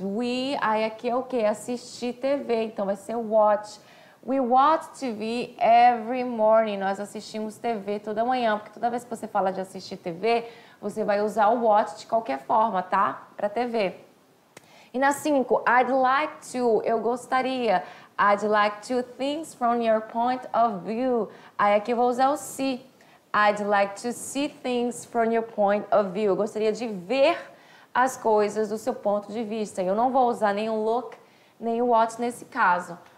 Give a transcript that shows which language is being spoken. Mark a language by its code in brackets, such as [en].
[pt] We, aí aqui é o quê? Assistir TV, então vai ser watch. [en] We watch TV every morning. [pt] Nós assistimos TV toda manhã, porque toda vez que você fala de assistir TV, você vai usar o watch de qualquer forma, tá? Pra TV. E na 5, [en] I'd like to, [pt] eu gostaria. [en] I'd like to things from your point of view. [pt] Aí aqui eu vou usar o [en] see. I'd like to see things from your point of view. [pt] Eu gostaria de ver as coisas do seu ponto de vista. Eu não vou usar nem o look, nem o watch nesse caso.